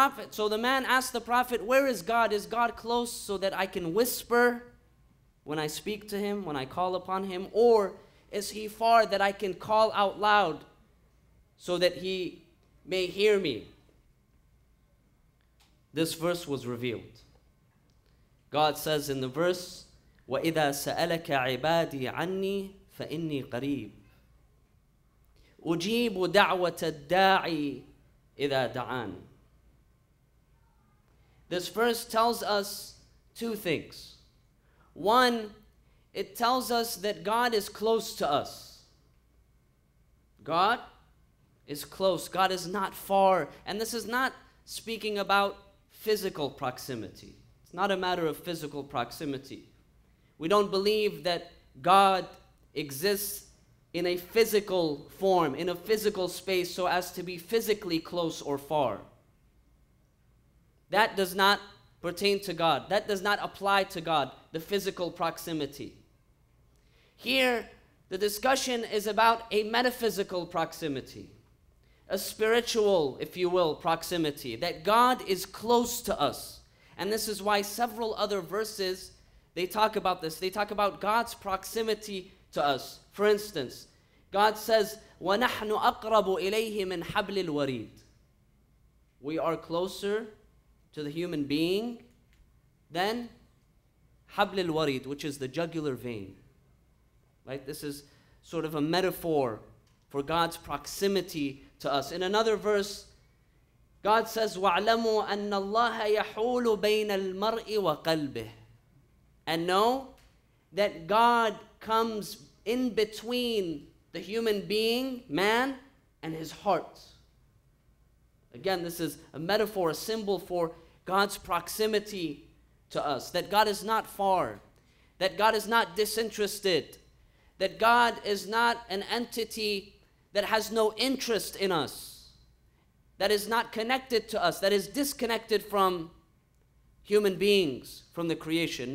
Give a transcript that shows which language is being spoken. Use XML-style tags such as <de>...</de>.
<en>So the man asked the Prophet, where is God? Is God close so that I can whisper when I speak to him, when I call upon him? Or is he far that I can call out loud so that he may hear me? This verse was revealed. God says in the verse,</en> <ar>وَإِذَا سَأَلَكَ عِبَادِي عَنِّي فإني قريب أجيب دعوة الداعي إذا دعان.</ar> <en>This verse tells us two things. One, it tells us that God is close to us. God is close. God is not far. And this is not speaking about physical proximity. It's not a matter of physical proximity. We don't believe that God exists in a physical form, in a physical space, so as to be physically close or far. That does not pertain to God. That does not apply to God, the physical proximity. Here, the discussion is about a metaphysical proximity, a spiritual, if you will, proximity, that God is close to us. And this is why several other verses, they talk about this. They talk about God's proximity to us. For instance, God says,</en> <ar>وَنَحْنُ أَقْرَبُ إِلَيْهِ مِنْ حَبْلِ الْوَرِيدِ.</ar> <en>We are closer to the human being than</en> <ar>حبل الوريد,</ar> <en>which is the jugular vein. Right? This is sort of a metaphor for God's proximity to us. In another verse, God says,</en> <ar>وَعْلَمُوا أَنَّ اللَّهَ يَحُولُ بَيْنَ الْمَرْءِ وَقَلْبِهِ.</ar> <en>And know that God comes in between the human being, man, and his heart. Again, this is a metaphor, a symbol for God's proximity to us, that God is not far, that God is not disinterested, that God is not an entity that has no interest in us, that is not connected to us, that is disconnected from human beings, from the creation.</en>